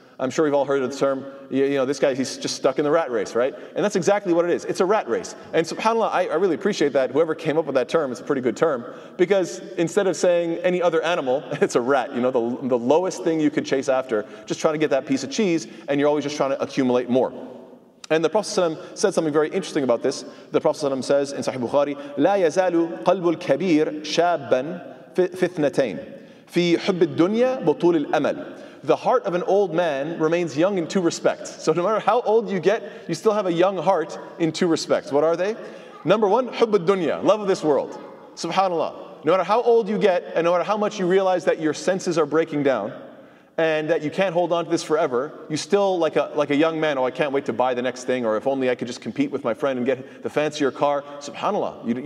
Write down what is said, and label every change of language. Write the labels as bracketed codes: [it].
[en] I'm sure we've all heard of the term, you know, this guy, he's just stuck in the rat race, right? And that's exactly what it is. It's a rat race. And subhanAllah, I really appreciate that. Whoever came up with that term, it's a pretty good term. Because instead of saying any other animal, it's a rat, you know, the lowest thing you could chase after, just trying to get that piece of cheese, and you're always just trying to accumulate more. And the Prophet ﷺ said something very interesting about this. The Prophet ﷺ says in Sahih Bukhari, [ar] لا يزال قلب الكبير شابا في اثنتين في حب الدنيا بطول الأمل. [en] The heart of an old man remains young in two respects. So no matter how old you get, you still have a young heart in two respects. What are they? Number one, [ar] حب الدنيا, [en] love of this world. SubhanAllah. No matter how old you get, and no matter how much you realize that your senses are breaking down, and that you can't hold on to this forever, you still, like a young man, oh, I can't wait to buy the next thing, or if only I could just compete with my friend and get the fancier car. SubhanAllah.